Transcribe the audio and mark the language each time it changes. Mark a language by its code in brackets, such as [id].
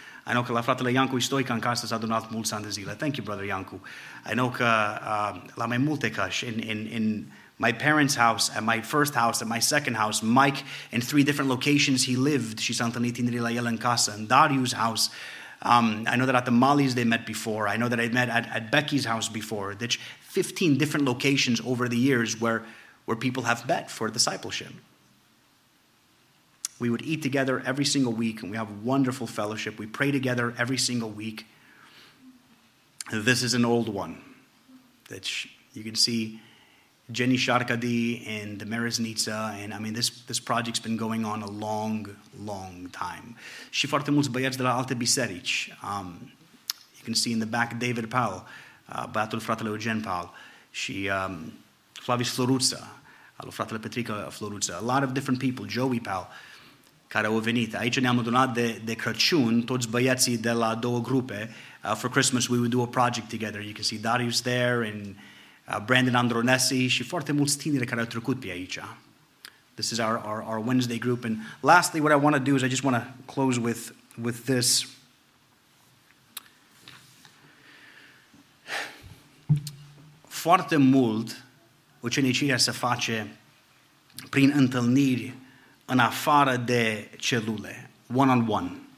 [en] I know [ro] că la fratele Iancu Stoica în casă s-a adunat mulți ani de zile. [en] Thank you, brother Iancu. I know [ro] că la mai multe căși, [en] in my parents' house, at my first house, at my second house, Mike, in three different locations he lived, [ro] și s-a întâlnit tinerii la el în casă, [en] in Dariu's house. I know that at the Molly's they met before. I know that I met at Becky's house before. Deci 15 different locations over the years where people have met for discipleship. We would eat together every single week, and we have wonderful fellowship. We pray together every single week. This is an old one. That you can see Jenny Sharkadi and Damaris Nitsa, and I mean, this project's been going on a long, long time. [ro] Și foarte mulți băieți de la alte biserici. [en] You can see in the back David Powell, [ro] băiatul fratele Eugen Powell, și [en] Flavius Floruța, [ro] alu fratele Petrica Floruța, [en] a lot of different people, Joey Powell, [ro] care au venit. Aici ne-am adunat de Crăciun, toți băieții de la două grupe. [en] For Christmas, we would do a project together. You can see Darius there and Brandon Andronesi [ro] și foarte mulți tineri care au trecut pe aici. [en] This is our Wednesday group. And lastly, what I want to do is I just want to close with this. [ro] Foarte mult ucenicirea se face prin întâlniri în afară de celule, [en] one-on-one.